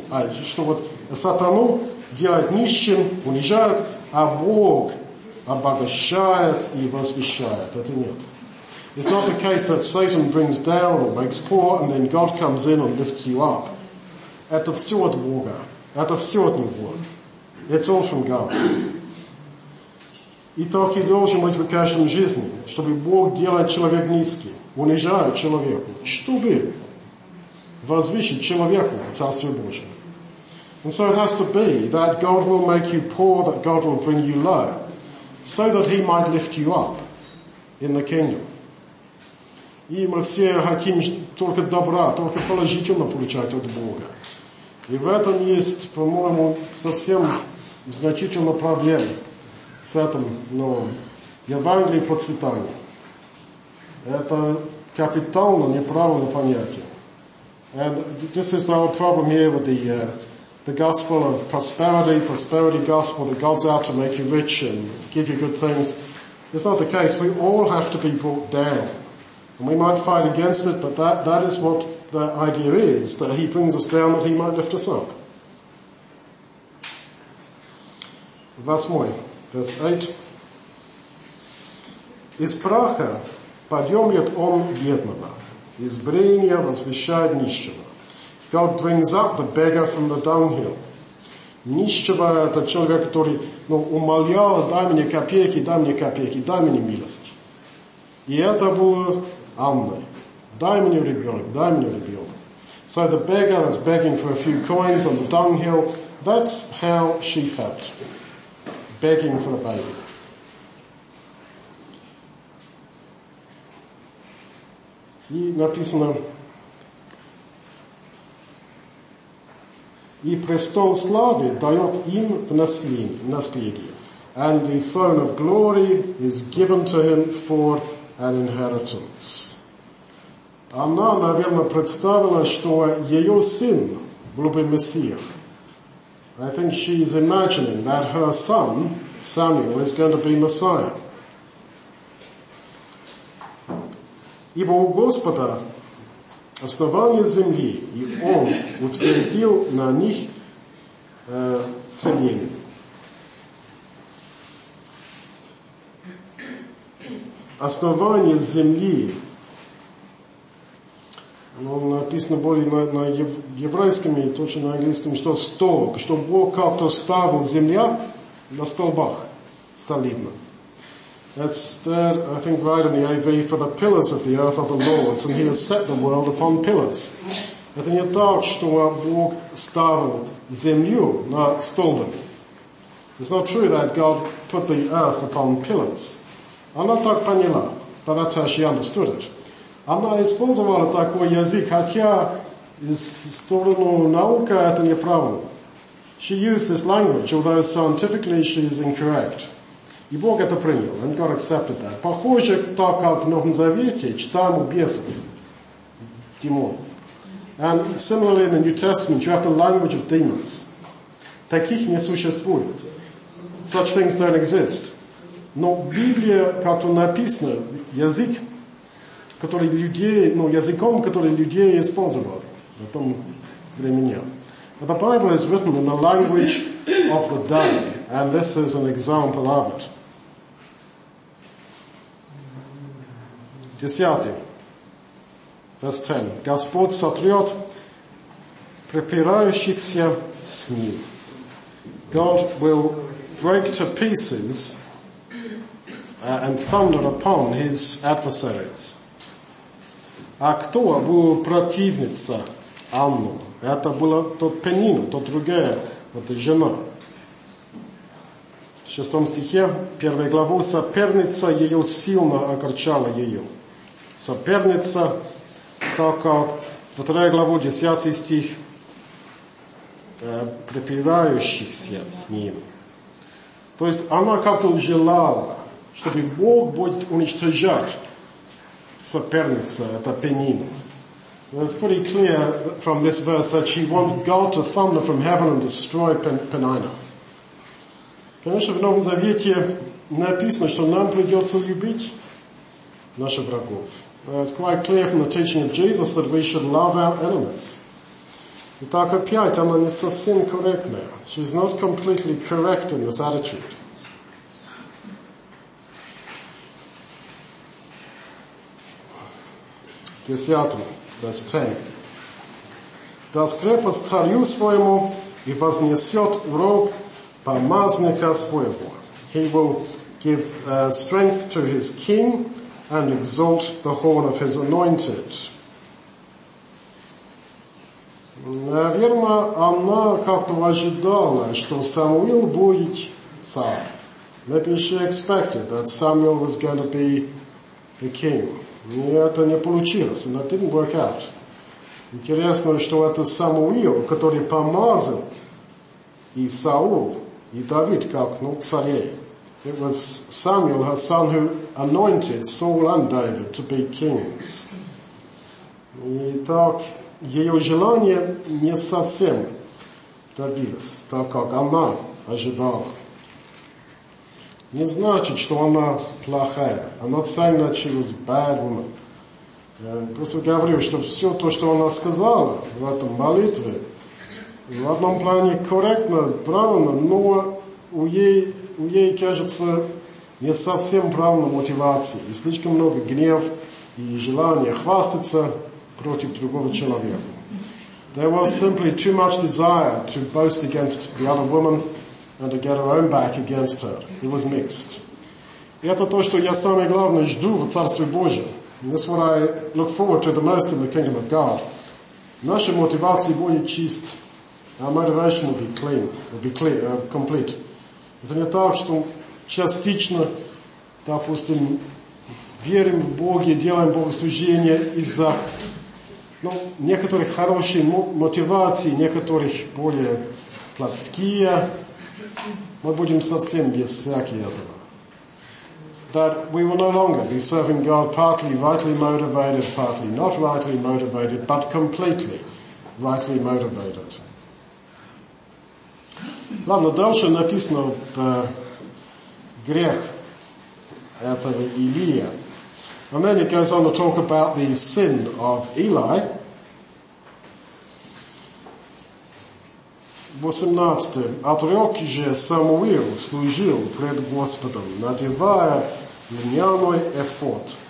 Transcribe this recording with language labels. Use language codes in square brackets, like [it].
[ru] А что вот сатану делает нищим, унижает, а Бог обогащает и возвещает. Это нет. [en] It's not the case that Satan brings down or makes poor and then God comes in and lifts you up. [ru] Это все от Бога. Это все от Него. [en] It's all from God. [ru] И так и должен быть в каждом жизни, чтобы Бог делает человек низкий, унижает человеку, чтобы возвысить человеку в Царстве Божьем. [en] And so it has to be that God will make you poor, that God will bring you low, so that he might lift you up in the kingdom. [ru] И мы все хотим только добра, только положительно получать от Бога. И в этом есть, по-моему, совсем значительно проблема. С этим, но Евангелие процветания. Это капитально неправильное понятие. [en] And this is our problem here with the gospel of prosperity, prosperity gospel, that God's out to make you rich and give you good things. It's not the case. We all have to be brought down. And we might fight against it, but that is what the idea is, that he brings us down that he might lift us up. [ru] Восьмой. [en] Verse 8. [ru] Из праха подъемлет он бедного, из бренья возвещает нищего. [en] God brings up the beggar from the dunghill. [ru] Нищего – это человек, который умолял, дай мне копейки, дай мне милости. И это было Анны. Дай мне ребенок. [en] So the beggar that's begging for a few coins on the dunghill, that's how she felt. Begging for a baby. [ru] И написано, и престол славы дает им в наследие. [en] And the throne of glory is given to him for an inheritance. [ru] Она, наверное, представила, что ее сын был бы мессия. [en] I think she is imagining that her son, Samuel, is going to be Messiah. [ru] Ибо у Господа основание земли, и Он утвердил на них целение. Основание земли. Но написано более на еврейском и точно на английском, что столб, что Бог как-то ставил земля на столбах солидно. [en] That's there, I think, right in the AV, for the pillars of the earth are the Lord's, and he has set the world upon pillars. [ru] Это не так, что Бог ставил землю на столбах. [en] It's not true that God put the earth upon pillars. [ru] Она так поняла, [en] but that's how she understood it. [ru] Она использовала такой язык, хотя из стороны науки это неправильно. [en] She used this language, although scientifically she is incorrect. [ru] И Бог это принял, [en] and God accepted that. [ru] Похоже, так как в Новом Завете читаем у бесов, демонов. [en] And similarly in the New Testament, you have the language of demons. [ru] Таких не существует. [en] Such things don't exist. [ru] Но Библия, как-то написано, язык, который людей, языком, который людей использовал в том времени. [en] But the Bible is written in the language of the day, and this is an example of it. [ru] Десятый. [en] Verse 10. [ru] Господь сотрет припирающихся с ним. [en] God will break to pieces and thunder upon his adversaries. [ru] А кто был противница Анну? Это была тот Пенин, тот другая, вот жена. В шестом стихе, первой главу, соперница ее сильно огорчала ее. Соперница, так как во второй главу, десятый стих, припирающихся с ним. То есть она как-то желала, чтобы Бог будет уничтожать соперницу, это Пенину. [en] It's pretty clear from this verse that she wants God to thunder from heaven and destroy Penina. [ru] Конечно, в Новом Завете написано, что нам придется любить наших врагов. [en] It's quite clear from the teaching of Jesus that we should love our enemies. [ru] Итак, опять она не совсем корректная. [en] She's not completely correct in this attitude. [ru] Десятый, [en] verse 10. [ru] Даст крепость царю своему и вознесет рог помазника своего. [en] He will give strength to his king and exalt the horn of his anointed. [ru] Наверное, она как-то ожидала, что Самуил будет царь. [en] Maybe she expected that Samuel was going to be the king. [ru] И это не получилось, [en] and that didn't work out. [ru] Интересно, что это Самуил, который помазал и Саул, и Давид, как ну, царей. [en] It was Samuel, her son, who anointed Saul and David to be kings. [ru] Итак, ее желание не совсем добилось, так как она ожидала. Не значит, что она плохая. [en] I'm not saying that she was a bad woman. [ru] Просто говорю, что все то, что она сказала в этом молитве, в одном плане корректно, правильно, но у ей кажется не совсем правильной мотивацией. И слишком много гнев и желания хвастаться против другого человека. [en] There was simply too much desire to boast against the other woman and to get her own back against her. It was mixed. [ru] И это то, что я самое главное жду в Царстве Божьем. [en] This is what I look forward to the most in the kingdom of God. [ru] Наша мотивация будет чиста. [en] Our motivation will be clean, complete. [ru] Это не так, что частично, допустим, верим в Бога и делаем богослужение из-за ну, некоторых хороших мотиваций, некоторых более плотские. Мы будем совсем без всякого этого. [en] That we will no longer be serving God partly rightly motivated, partly not rightly motivated, but completely rightly motivated. [ru] Ладно, дальше написано грех этого Илия. [en] And then it goes on to talk about the sin of Eli. 18. [ru] Отрек же Самуил служил пред Господом, надевая льняной эфод.